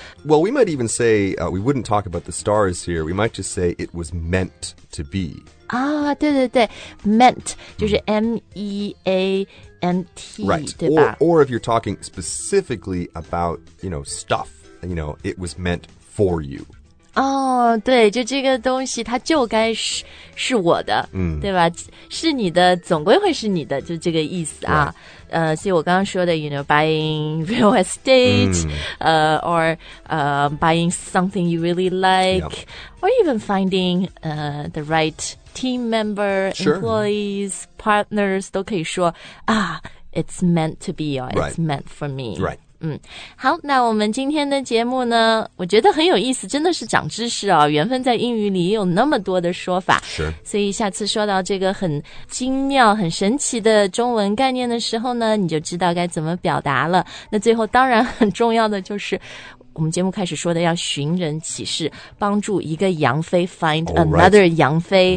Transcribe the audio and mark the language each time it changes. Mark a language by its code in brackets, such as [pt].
[en] well we might even say、we wouldn't talk about the stars here we might just say it was meant to be [zh] 啊、oh, 对对对 meant 就是 meant [en] right [zh] 对吧 [en] or if you're talking specifically about you know stuff you know it was meant for you [zh] 哦，对，就这个东西它就该是我的，嗯，对吧，是你的总归会是你的，就这个意思啊。所以我刚刚说的 [en] you know, buying real estate,or, buying something you really like,or even finding, the right team member, employees, partners, [zh] 都可以说 [en] it's meant to be, or it's meant for me. Right. [zh] 嗯，好，那我们今天的节目呢，我觉得很有意思，真的是长知识哦。缘分在英语里也有那么多的说法，是。所以下次说到这个很精妙、很神奇的中文概念的时候呢，你就知道该怎么表达了。那最后当然很重要的就是，我们节目开始说的要寻人启事，帮助一个杨飞 [en] find another [zh] 杨飞。